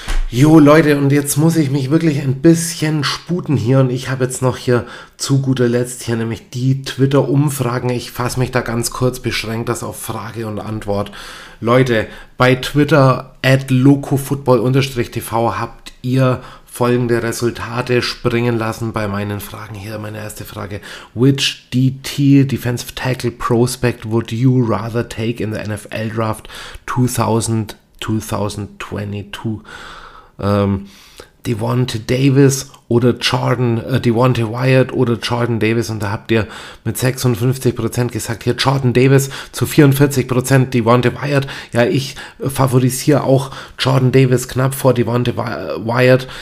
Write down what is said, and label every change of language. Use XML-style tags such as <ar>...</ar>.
<de>Jo Leute, und jetzt muss ich mich wirklich ein bisschen sputen hier und ich habe jetzt noch hier zu guter Letzt hier nämlich die Twitter-Umfragen. Ich fasse mich da ganz kurz, beschränkt das auf Frage und Antwort. Leute, bei Twitter @locofootball_tv habt ihr folgende Resultate springen lassen bei meinen Fragen. Hier meine erste Frage.</de> <en>Which DT, Defensive Tackle Prospect, would you rather take in the NFL Draft 2022?</en> <de>Devonta Davis oder Devonta Wyatt oder Jordan Davis, und da habt ihr mit 56% gesagt, hier Jordan Davis, zu 44% Devonta Wyatt. Ja, ich favorisiere auch Jordan Davis knapp vor Devonta Wyatt.</de>